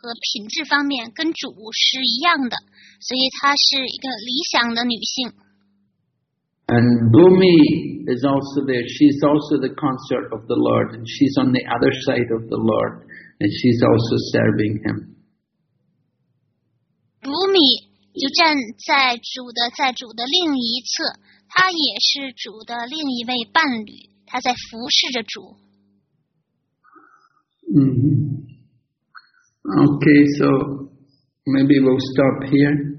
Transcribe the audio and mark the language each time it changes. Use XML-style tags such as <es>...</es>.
<zh>和品质方面跟主是一样的，所以她是一个理想的女性。</zh> <en>And Bhumi is also there. She's also the consort of the Lord, and she's on the other side of the Lord, and she's also serving Him.</en> <zh>Bhumi 就站在主的在主的另一侧，她也是主的另一位伴侣，她在服侍着主。</zh> <en>Mm-hmm. Okay, so maybe we'll stop here.</en>